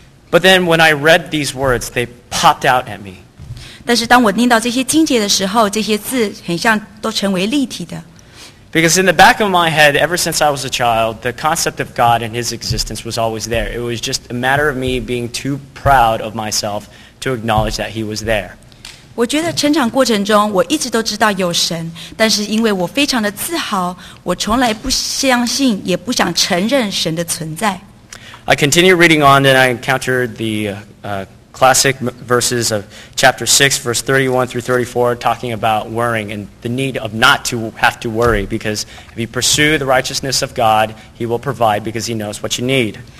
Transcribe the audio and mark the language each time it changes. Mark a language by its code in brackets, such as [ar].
[en] But then when I read these words, they popped out at me. [zh] 但是当我念到这些经节的时候，这些字很像都成为立体的。 [en] Because in the back of my head, ever since I was a child, the concept of God and His existence was always there. It was just a matter of me being too proud of myself to acknowledge that He was there. [zh] 我觉得成长过程中，我一直都知道有神，但是因为我非常的自豪，我从来不相信，也不想承认神的存在。 [en] I continue reading on, and I encounter the classic verses of chapter 6, verse 31 through 34, talking about worrying and the need of not to have to worry, because if you pursue the righteousness of God, He will provide because He knows what you need.